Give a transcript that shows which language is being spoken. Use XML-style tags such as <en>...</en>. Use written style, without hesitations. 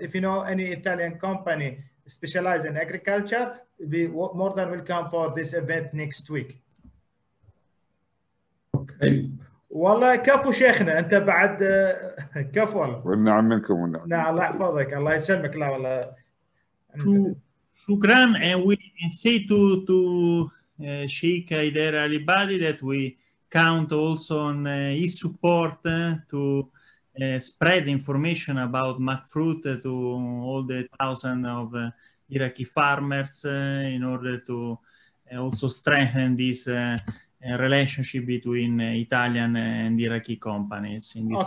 <en>If you know any Italian company specialized in agriculture, be more than welcome for this event next week. Okay.</en> <ar>والله كفو شيخنا انت بعد كفو والله. والنعم منكم والنعم. نعم الله يحفظك الله يسلمك لا والله. شكرا</ar> <en>and we say to Sheikh Haider Ali Badi that we count also on his support to spread information about Macfrut to all the thousands of Iraqi farmers in order to also strengthen this relationship between Italian and Iraqi companies in this.</en>